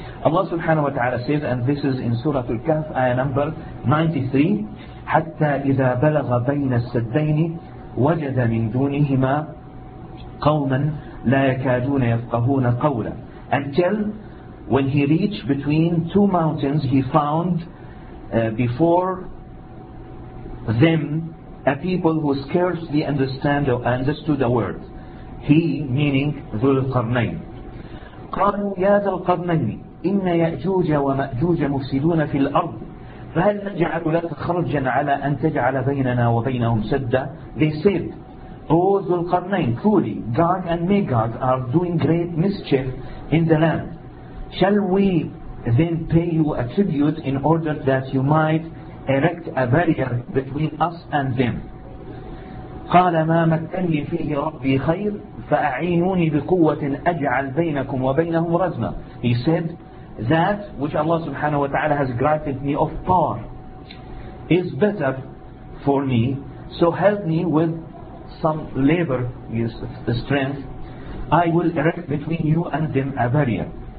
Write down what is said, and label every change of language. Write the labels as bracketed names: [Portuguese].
[English] Allah subhanahu wa ta'ala says, and this is in Surah Al-Kahf, ayah number 93, [Arabic] حتى إذا بلغ بين السدين وجد من دونهما قوما لا يكادون يفقهون قولا. [English] Until when he reached between two mountains, he found before them a people who scarcely understood a word. He, meaning ذو القرنين. [Arabic] قالوا يا ذو القرنين إن يأجوج ومأجوج مفسدون في الأرض فهل نجعل لك خرجا على أن تجعل بيننا وبينهم سدا. [English] They said, O Dhul Qarnayn, truly Gog and Magog are doing great mischief in the land. Shall we then pay you a tribute in order that you might erect a barrier between us and them? [Arabic] قال ما مكني فيه ربي خير فأعينوني بقوة أجعل بينكم وبينهم رزما. [English] He said, that which Allah subhanahu wa ta'ala has granted me of power is better for me, so help me with some labor, strength. I will erect between you and them a barrier.